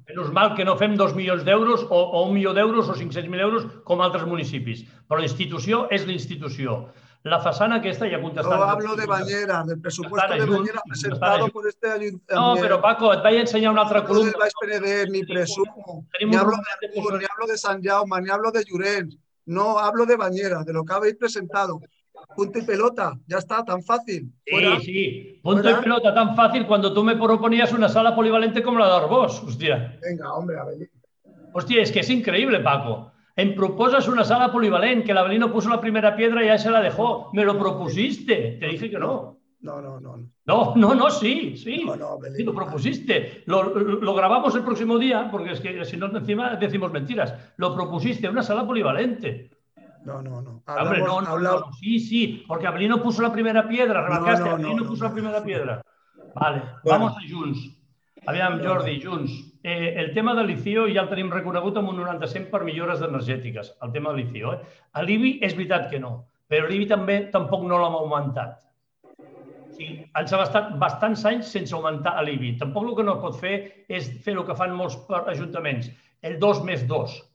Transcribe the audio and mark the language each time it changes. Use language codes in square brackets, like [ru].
[es] Menos mal que [ca] no fem 2 milions d'euros o 1 milió d'euros o 500.000 euros com altres municipis. Però l'institució és l'institució. La façana aquesta ja contestava. [es] No hablo de Banyeres, [ca] del pressupost de Banyeres presentat per este ajuntament. No, però Paco, et vaig ensenyar una altra columna. No del Baix Penedès, ni presumo. [es] Ni hablo de Artur, ni hablo de Sant Jaume, ni hablo de Llorenç. No, hablo de Banyeres, de lo que habéis presentado. Punto y pelota, ya está, tan fácil. Sí, punto y pelota, tan fácil cuando tú me proponías una sala polivalente como la d'Arbós, hostia. Venga, hombre, Abelí. Hostia, es que es increíble, Paco. [ca] Em proposes una sala polivalent, que l'Avelino [es] puso la primera piedra [ca] i ja [es] se la dejó. Me lo propusiste. Te dije que no. No, sí. No, Abelino. Sí, lo propusiste. Lo grabamos el próximo día, porque es que si no encima decimos mentiras. Lo propusiste, una sala polivalente. No. Hombre, sí, porque Abelino puso la primera piedra. Remarcaste, Abelino puso la primera piedra. Vale, vamos a Junts. [ca] Aviam, [es] Jordi, Junts. [ca] El tema de l'ICIO ja el tenim reconegut amb un 90% per millores energètiques, el tema de l'ICIO. A l'IBI és veritat que no, però l'IBI també tampoc no l'hem augmentat. O sigui, ens ha estat bastants anys sense augmentar l'IBI. Tampoc el que no es pot fer és fer el que fan molts ajuntaments, el 2+2.